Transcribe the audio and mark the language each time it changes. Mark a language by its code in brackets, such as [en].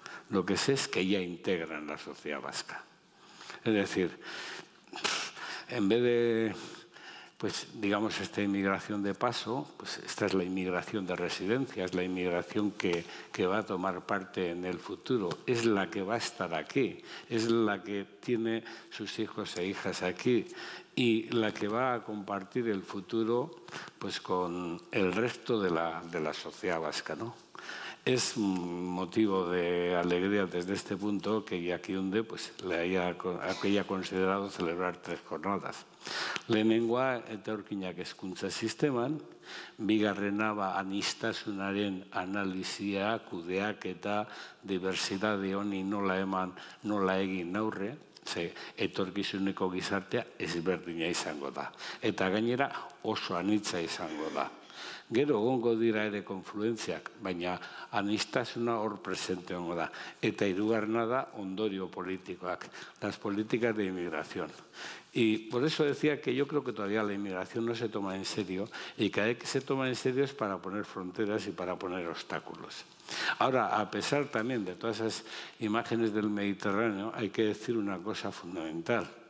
[es] Lo que sé es que ya integran la sociedad vasca. Es decir, en vez de, pues, digamos, esta inmigración de paso, pues esta es la inmigración de residencia, es la inmigración que va a tomar parte en el futuro, es la que va a estar aquí, es la que tiene sus hijos e hijas aquí y la que va a compartir el futuro, pues, con el resto de la sociedad vasca, ¿no? Es motivo de alegría desde este punto que Jakiunde pues le haya considerado celebrar 3 jornadas. [eu] Lehenengoa etorkinak hezkuntza sisteman, bigarrena ba anistasunaren analisia, kudeaketa, diversitate honi nola eman, nola egin aurre, ze etorkizuneko gizartea ezberdina izango da. Eta gainera oso anitza izango da. Gero egongo dira ere konfluentziak, baina anistasuna hor presente egongo da. Eta hirugarrena da ondorio politikoak, [es] las políticas de inmigración. Y por eso decía que yo creo que todavía la inmigración no se toma en serio y cada vez que se toma en serio es para poner fronteras y para poner obstáculos. Ahora, a pesar también de todas esas imágenes del Mediterráneo, hay que decir una cosa fundamental.